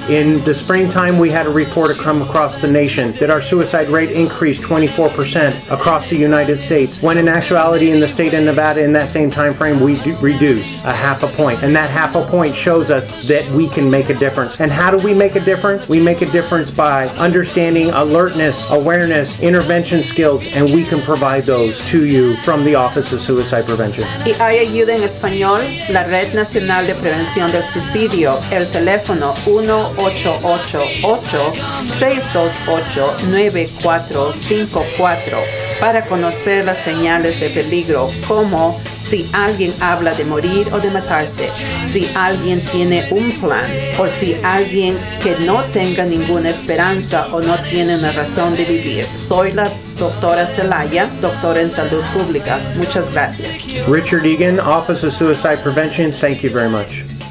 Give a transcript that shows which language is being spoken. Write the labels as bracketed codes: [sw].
[en] In the springtime, we had a report come across the nation that our suicide rate increased 24% across the United States, when in actuality in the state of Nevada in that same time frame, we reduced a half a point. And that half a point shows us that we can make a difference. And how do we make a difference? We make a difference by understanding alertness, awareness, intervention, prevention skills, and we can provide those to you from the Office of Suicide Prevention. [es] Y hay ayuda en español, la Red Nacional de Prevención del Suicidio, el teléfono 1-888-628-9454 para conocer las señales de peligro, como si alguien habla de morir o de matarse, si alguien tiene un plan, o si alguien que no tenga ninguna esperanza o no tiene una razón de vivir. Soy la doctora Zelaya, doctora en salud pública. Muchas gracias. [en] Richard Egan, Office of Suicide Prevention, thank you very much.